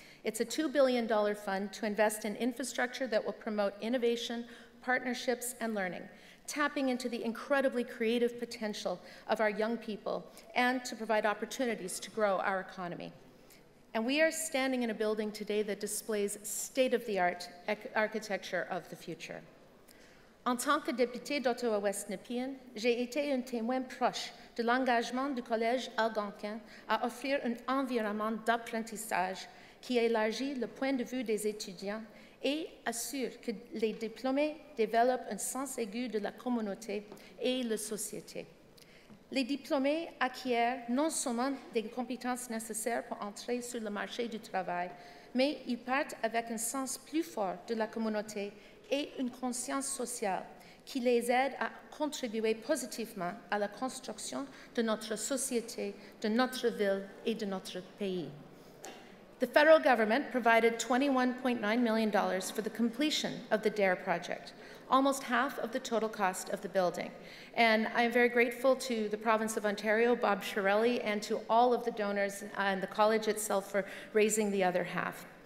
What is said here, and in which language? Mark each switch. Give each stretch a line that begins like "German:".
English: It's a $2 billion fund to invest in infrastructure that will promote innovation, partnerships, and learning, tapping into the incredibly creative potential of our young people and to provide opportunities to grow our economy. And we are standing in a building today that displays state-of-the-art architecture of the future.
French: En tant que députée d'Ottawa-Ouest Nepean, j'ai été un témoin proche de l'engagement du Collège Algonquin à offrir un environnement d'apprentissage qui élargit le point de vue des étudiants et assure que les diplômés développent un sens aigu de la communauté et la société. Les diplômés acquièrent non seulement des compétences nécessaires pour entrer sur le marché du travail, mais ils partent avec un sens plus fort de la communauté et une conscience sociale qui les aide à contribuer positivement à la construction de notre société, de notre ville et de notre pays.
English: The federal government provided $21.9 million for the completion of the D.A.R.E. project, almost half of the total cost of the building. And I am very grateful to the province of Ontario, Bob Shirelli, and to all of the donors and the college itself for raising the other half.